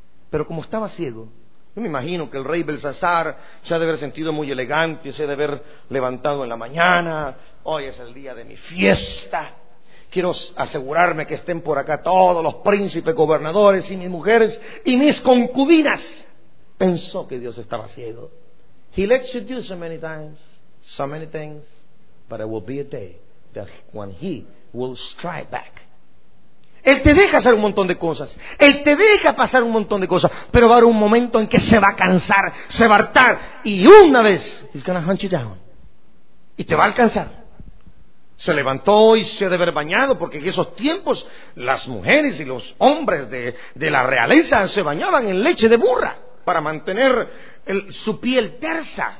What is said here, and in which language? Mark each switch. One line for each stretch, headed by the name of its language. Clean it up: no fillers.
Spanish: Pero como estaba ciego, yo me imagino que el rey Belsasar se ha de haber sentido muy elegante, se ha de haber levantado en la mañana: hoy es el día de mi fiesta, quiero asegurarme que estén por acá todos los príncipes, gobernadores y mis mujeres y mis concubinas. Pensó que Dios estaba ciego.
English: He lets you do so many things, but it will be a day that when he will strike back.
Spanish: Él te deja hacer un montón de cosas, Él te deja pasar un montón de cosas, pero va a haber un momento en que se va a cansar, se va a hartar, y una vez
English: he's gonna hunt you down
Spanish: y te va a alcanzar. Se levantó y se ha de haber bañado, porque en esos tiempos las mujeres y los hombres de la realeza se bañaban en leche de burra para mantener su piel tersa.